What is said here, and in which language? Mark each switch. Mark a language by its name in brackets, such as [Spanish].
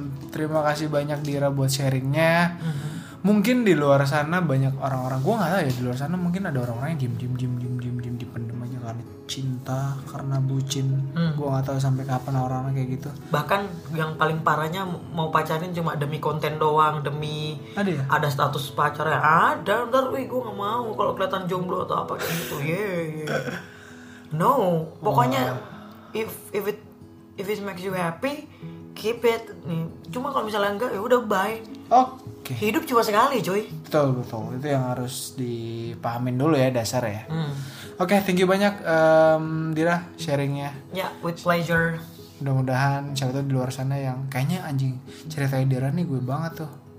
[Indonesian] Terima kasih banyak Dira buat sharingnya. Mungkin di luar sana banyak orang-orang, gue nggak tahu ya, di luar sana mungkin ada orang-orang yang diem dipendem aja karena cinta, karena bucin. Gue nggak tahu sampai kapan orang-orang kayak gitu. Bahkan yang paling parahnya mau pacarin cuma demi konten doang, demi ada, ya? Ada status pacarnya ada, ntar wih gue nggak mau kalau kelihatan jomblo atau apa kayak gitu. [English] No, [Indonesian] pokoknya [English] if it makes you happy, keep it. [Indonesian] Cuma kalau misalnya enggak, ya udah bye. Oke. Okay. Hidup cuma sekali, cuy. Betul, betul. Itu yang harus dipahamin dulu ya, dasar ya. Oke, okay, [English] thank you [Indonesian] banyak Dira sharingnya. [English] Ya, yeah, with pleasure. [Indonesian] Mudah-mudahan siapa tahu di luar sana yang kayaknya anjing ceritanya Dira nih gue banget tuh.